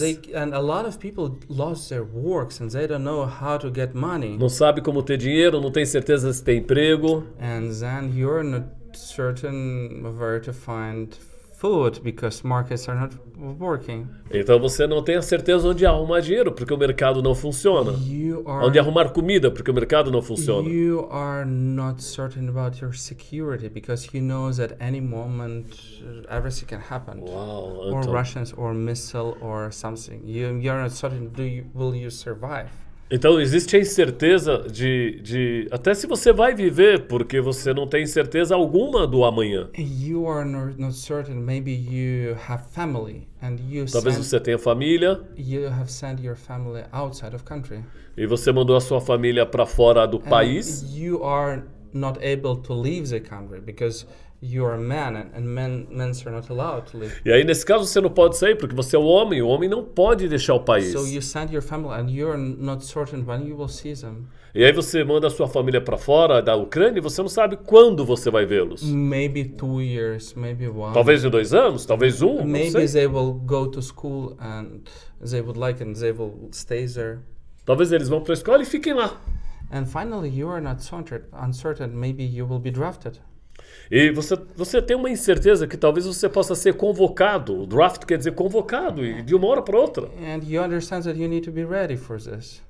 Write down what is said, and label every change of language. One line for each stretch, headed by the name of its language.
English: Because and a lot of people lost their works and they don't know how to get money.
Portuguese: Não sabe como ter dinheiro, não tem certeza se tem emprego.
English: And then you're not certain where to find food because markets are not working.
Portuguese: Então você não tem a certeza onde arrumar dinheiro porque o mercado não funciona. Onde arrumar comida porque o mercado não funciona.
English: You are not certain about your security because he knows at any moment everything can happen. Wow, or Russians or missile or something. You are not certain will you survive?
Portuguese: Então existe a incerteza de até se você vai viver porque você não tem certeza alguma do amanhã.
English: You are not certain. Maybe you have family and you.
Portuguese: Talvez você tenha família.
English: You have sent your family outside of country.
Portuguese: E você mandou a sua família para fora do país.
English: You are not able to leave the country because you are a man and men are not allowed to leave.
Portuguese: E aí nesse caso você não pode sair porque você é o homem não pode deixar o país.
English: So you send your family and you're not certain when you will see them.
Portuguese: E aí você manda a sua família para fora da Ucrânia e você não sabe quando você vai vê-los.
English: Maybe 2 years, maybe 1.
Portuguese: Talvez em 2 anos, talvez um,
English: maybe
Portuguese: não sei.
English: They will go to school and they would like and they will stay there.
Portuguese: Talvez eles vão para a escola e fiquem lá.
English: And finally you are not uncertain, maybe you will be drafted.
Portuguese: E você tem uma incerteza que talvez você possa ser convocado. Draft quer dizer convocado, e de uma hora para outra.
English: And you understand that you need to be ready for this.